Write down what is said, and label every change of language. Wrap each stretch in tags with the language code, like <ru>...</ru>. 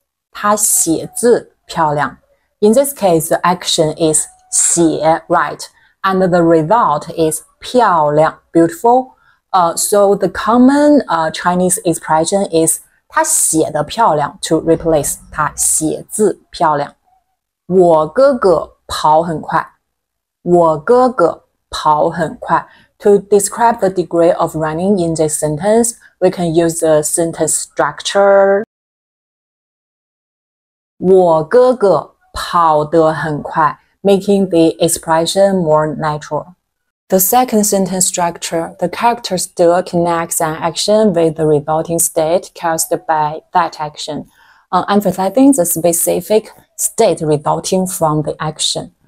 <zh>他写字漂亮。他写字漂亮。</zh> <en>In this case, the action is 写, write, and the result is 漂亮, beautiful. So the common Chinese expression is</en> <zh>他写得漂亮</zh> <en>to replace</en> <zh>他写字漂亮. 我哥哥跑很快。我哥哥跑很快.</zh> <en>To describe the degree of running in this sentence, we can use the sentence structure.</en> <zh>我哥哥 跑得很快,</zh> <en>making the expression more natural. The second sentence structure, the character de connects an action with the resulting state caused by that action, emphasizing the specific state resulting from the action.</en>